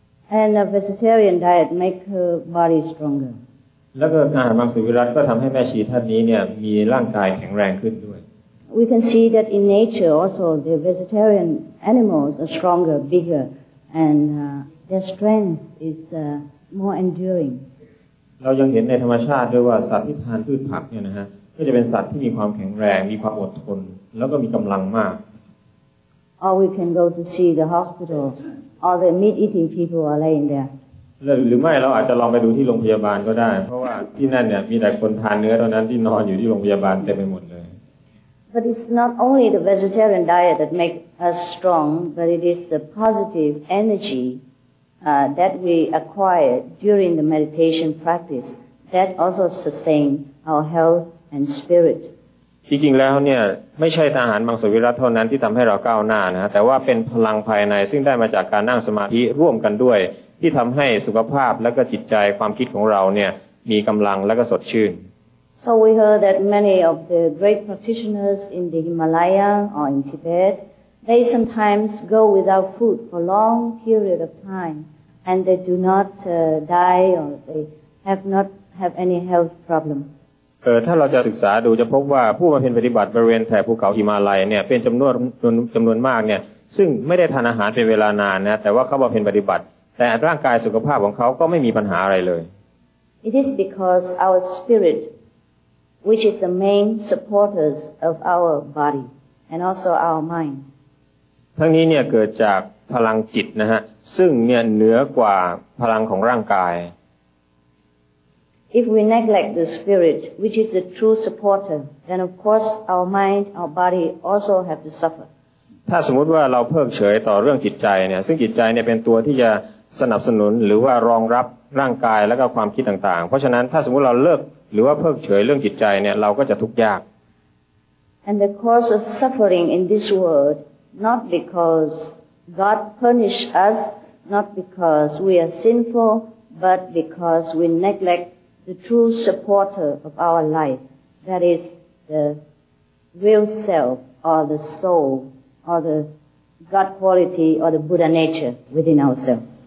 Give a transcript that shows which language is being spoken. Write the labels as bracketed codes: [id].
[en] And a vegetarian diet make her body stronger [th] แล้วก็การมังสวิรัติก็ทำให้แม่ชีท่านนี้เนี่ยมีร่างกายแข็งแรงขึ้นด้วย [en] We can see that in nature also the vegetarian animals are stronger biggerAnd their strength is more enduring. [th] เรายังเห็นในธรรมชาติด้วยว่าสัตว์ที่ทานพืชผักเนี่ยนะฮะก็จะเป็นสัตว์ที่มีความแข็งแรงมีความอดทนแล้วก็มีกำลังมาก [en] Or we can go to see the hospital. All the meat-eating people are laying there. [th] หรือไม่เราอาจจะลองไปดูที่โรงพยาบาลก็ได้เพราะว่าที่นั่นเนี่ยมีแต่คนทานเนื้อเท่านั้นที่นอนอยู่ที่โรงพยาบาลเต็มไปหมดเลย [en] But it's not only the vegetarian diet that makes us strong, but it is the positive energy that we acquire during the meditation practice that also sustains our health and spirit. [th] จริงๆแล้วเนี่ยไม่ใช่อาหารมังสวิรัติเท่านั้นที่ทำให้เราก้าวหน้านะแต่ว่าเป็นพลังภายในซึ่งได้มาจากการนั่งสมาธิร่วมกันด้วยที่ทำให้สุขภาพและก็จิตใจความคิดของเราเนี่ยมีกำลังและก็สดชื่น [en] So we heard that many of the great practitioners in the Himalaya or in Tibet, they sometimes go without food for long period of time, and they do not die or they have not have any health problem. [th] ถ้าเราจะศึกษาดูจะพบว่าผู้มาเพ็ญปฏิบัติบริเวณแถบภูเขาหิมาลัยเนี่ยเป็นจำนวนมากเนี่ยซึ่งไม่ได้ทานอาหารเป็นเวลานานนะแต่ว่าเขามาเพ็ญปฏิบัติแต่ร่างกายสุขภาพของเขาก็ไม่มีปัญหาอะไรเลย [en] It is because our spiritwhich is the main supporters of our body and also our mind [th] ทั้งนี้เนี่ยเกิดจากพลังจิตนะฮะซึ่งเนี่ยเหนือกว่าพลังของร่างกาย [en] If we neglect the spirit which is the true supporter then of course our mind our body also have to suffer [th] ถ้าสมมติว่าเราเพิกเฉยต่อเรื่องจิตใจเนี่ยซึ่งจิตใจเนี่ยเป็นตัวที่จะสนับสนุนหรือว่ารองรับร่างกายแล้วก็ความคิดต่างๆเพราะฉะนั้นถ้าสมมติเราเลิกหรือว่าเพิกเฉยเรื่องจิตใจเนี่ยเราก็จะทุกข์ยาก [en] And the cause of suffering in this world not because God punish us not because we are sinful but because we neglect the true supporter of our life that is the real self or the soul or the God quality or the Buddha nature within ourselves